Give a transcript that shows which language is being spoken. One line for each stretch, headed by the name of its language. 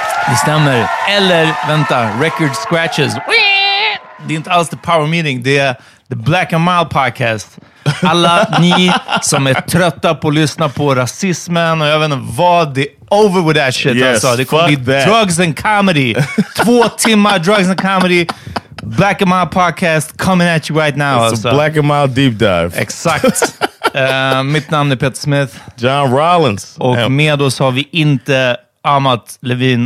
Swedish: Det stämmer. Eller, vänta, Record Scratches. Det är inte alls The Power Meeting, det är The Black and Mild Podcast. Alla ni som är trötta på att lyssna på rasismen och jag vet inte vad, det är
English: over with that shit. Yes,
Swedish: alltså. Det kommer bli
English: that. Drugs and comedy. 2 timmar drugs and comedy. Black and Mild Podcast coming at you right now. It's a Black and Mild deep dive.
Swedish: Exakt. Mitt namn är Peter Smith. John Rollins. Och med oss har vi inte Amat Levin.